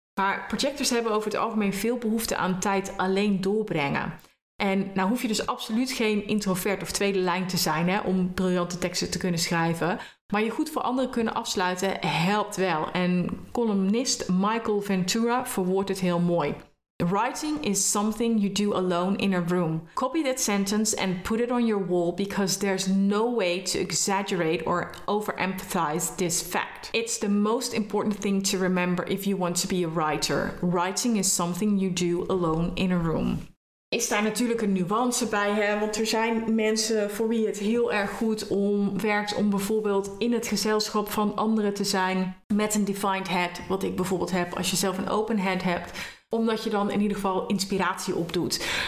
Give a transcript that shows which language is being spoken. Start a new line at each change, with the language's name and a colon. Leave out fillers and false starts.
Dutch: Maar projectors hebben over het algemeen veel behoefte aan tijd alleen doorbrengen. En nou hoef je dus absoluut geen introvert of tweede lijn te zijn, hè, om briljante teksten te kunnen schrijven. Maar je goed voor anderen kunnen afsluiten helpt wel. En columnist Michael Ventura verwoordt het heel mooi.
English: Writing is something you do alone in a room. Copy that sentence and put it on your wall because there's no way to exaggerate or overemphasize this fact. It's the most important thing to remember if you want to be a writer. Writing is something you do alone in a room.
Dutch: Is daar natuurlijk een nuance bij, hè? Want er zijn mensen voor wie het heel erg goed om werkt om bijvoorbeeld in het gezelschap van anderen te zijn met een defined head, wat ik bijvoorbeeld heb als je zelf een open head hebt, omdat je dan in ieder geval inspiratie opdoet.